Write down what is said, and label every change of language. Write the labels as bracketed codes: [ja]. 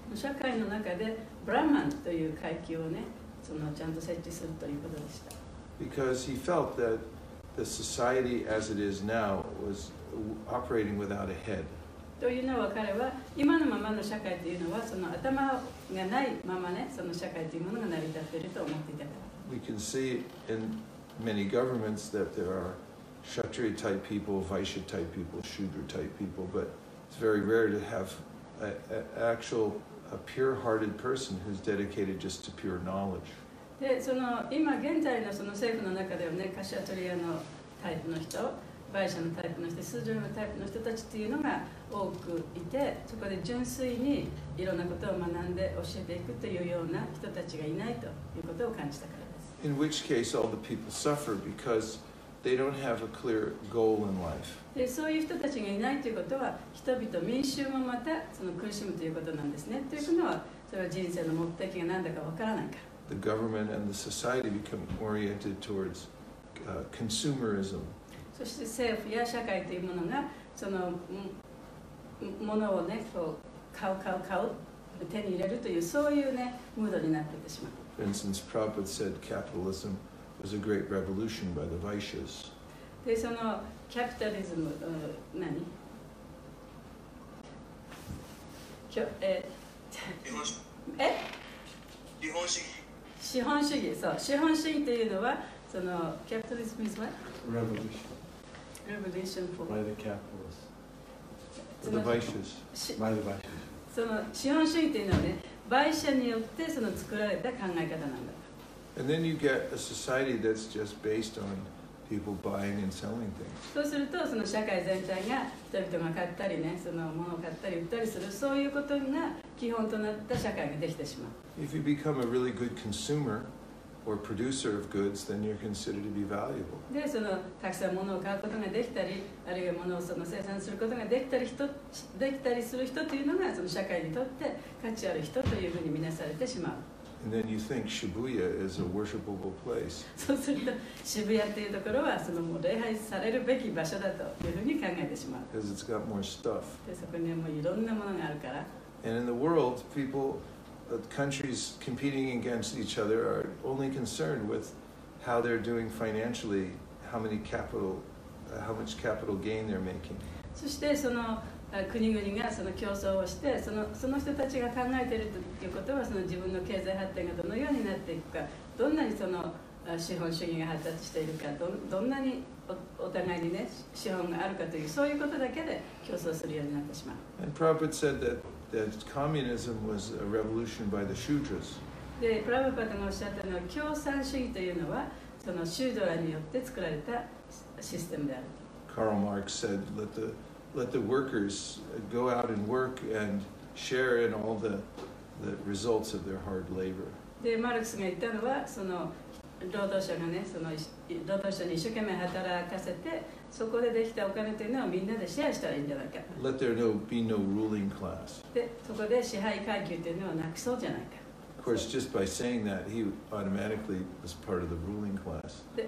[ja] 社会の中で Brahman という階級をね、そのちゃんと設置するということでした。 [en] Because he felt that the society as it is now was operating without a head. [ja] というのは彼は今のままの社会というのはその頭がないままね、その社会というものが成り立っていると思っていたから。 [en] We can see inMany governments that there are Kshatriya type people, Vaishya type people, Shudra type people, but it's very rare to have a pure hearted person who's dedicated just to pure knowledge. [ja] で、その今現在のその政府の中ではね、カシャトリアのタイプの人、バイシャのタイプの人、スージュのタイプの人たちっていうのが多くいて、そこで純粋にいろんなことを学んで教えていくというような人たちがいないということを感じたから。 [en] In which case all the people suffer because they don't have a clear goal in life. [ja] で、そういう人たちがいないということは、人々、民衆もまたその苦しむということなんですね。というのは、それは人生の目的が何だかわからないから。 [en] The government and the society become oriented towards consumerism. [ja] そして政府や社会というものが、その物をね、こう買う、手に入れるという、そういうね、ムードになっていってしまう。 [en] For instance, Prabhupada said capitalism was a great revolution by the Vaishyas. [ja] で、そのキャピタリズム、何？きょ、え、え？資本主義。資本主義、そう。資本主義というのは、そのキャピタリズム [en] is what? Revolution for? By the capitalists. For the Vaishyas. By the Vaishyas. [ja] その資本主義というのはね、売者によってその作られた考え方なんだ。 [en] And then you get a society that's just based on people buying and selling things. [ja] そうするとその社会全体が人々が買ったりね、その物を買ったり売ったりするそういうことが基本となった社会ができてしまう。 [en] If you become a really good consumer or producer of goods, then you're considered to be valuable. [ja] でそのたくさん物を買うことができたり、あるいは物をその生産することができたり人できたりする人というのがその社会にとって価値ある人というふうに見なされてしまう。 [en] And then you think Shibuya is a worshipable place. [ja] そうすると渋谷というところはそのもう礼拝されるべき場所だというふうに考えてしまう。 [en] Because it's got more stuff. [ja] でそこにはもういろんなものがあるから。 [en] And in the world, people, the countries competing against each other are only concerned with how they're doing financially, how much capital gain they're making. [ja] そしてその国々がその競争をしてその人たちが考えているということはその自分の経済発展がどのようになっていくか、どんなにその資本主義が発達しているか、どんなにお互いにね資本があるかというそういうことだけで競争するようになってしまう。 [en] And Prabhupada said that communism was a revolution by the Shudras. [ja] で、プラヴパタがおっしゃったのは、共産主義というのは、そのシュードラによって作られたシステムである。 [en] Karl Marx said, let the workers go out and work and share in all the results of their hard labor. [ja] で、マルクスが言ったのは、その労働者がね、その労働者に一生懸命働かせて、そこでできたお金というのはみんなでシェアしたらいいんじゃないか。 [en] Let there be no ruling class. [ja] で、そこで支配階級というのはなくそうじゃないか。 [en] Of course, just by saying that, he automatically was part of the ruling class.